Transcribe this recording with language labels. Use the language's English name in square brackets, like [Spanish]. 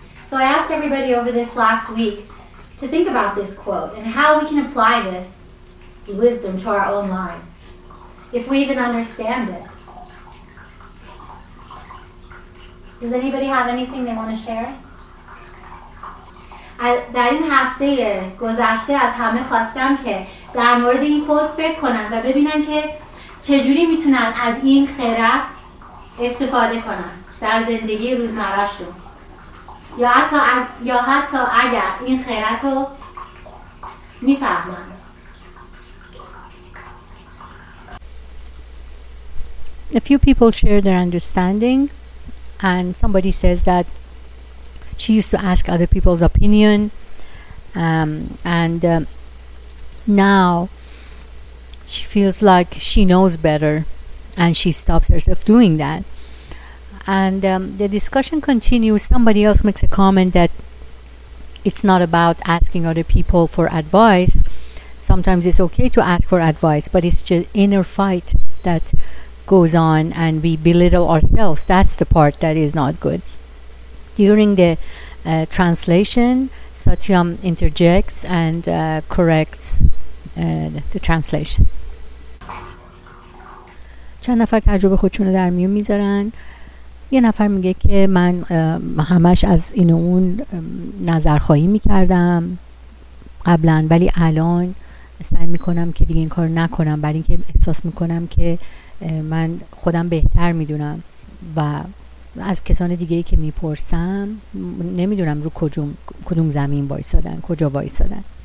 [English] To think about this quote and how we can apply this wisdom to our own lives, if we even understand it. Does anybody have anything they want to share? [Persian] در این هفته گذشته از همه خواستم که در مورد این quote فکر کنن و ببینن که چجوری میتونن از این خرد استفاده کنن در زندگی روزمره‌شون. یا حتی اگر این خیرت رو می فهمند. [English] A few people share their understanding, and somebody says that she used to ask other people's opinion, and now she feels like she knows better, and she stops herself doing that. And the discussion continues. Somebody else makes a comment that it's not about asking other people for advice. Sometimes it's okay to ask for advice, but it's just inner fight that goes on and we belittle ourselves. That's the part that is not good. During the translation, Satyam interjects and corrects the translation. [Persian] چند نفر تجربه خودشونو در میون میذارن. یه نفر میگه که من همش از این و اون نظرخواهی میکردم قبلا، ولی الان سعی میکنم که دیگه این کار نکنم، برای اینکه احساس میکنم که من خودم بهتر میدونم و از کسان دیگه ای که میپرسم نمیدونم رو کدوم زمین وایسادن، کجا وایسادن.